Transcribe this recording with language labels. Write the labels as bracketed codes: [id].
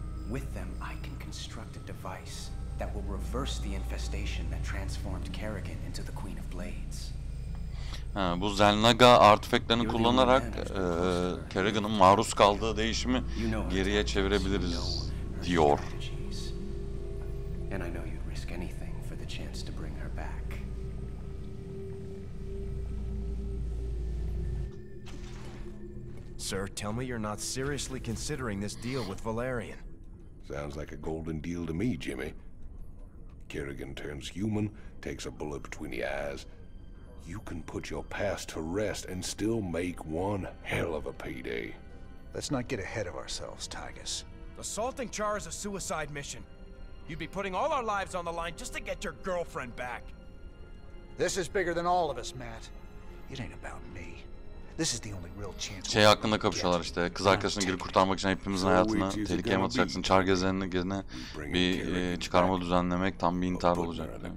[en] With them I can construct a device that will reverse the infestation that transformed Kerrigan into the Queen of Blades. [tr] Ha, bu Zelnaga artefaktlarını kullanarak Kerrigan'ın maruz kaldığı değişimi geriye çevirebiliriz diyor. [en] And I know you'd risk anything for the chance to bring her back. Sir, tell me you're not seriously considering this deal with Valerian. Sounds like a golden deal to me, Jimmy. Kerrigan turns human, takes a bullet between the eyes, you can put your past to rest and still make one hell of a payday. Let's not get ahead of ourselves, Tigus. Assaulting Char is a suicide mission. You'd be putting all our lives on the line just to get your girlfriend back. This is bigger than all of us, Matt. It ain't about me. This is the only real chance. [tr] Şey hakkında kapışıyorlar işte. Kız arkadaşını geri kurtarmak için hepimizin hayatını tehlikeye mi atacaksın? Çar gezenini gezene bir çıkarma düzenlemek tam bir intihar olacak.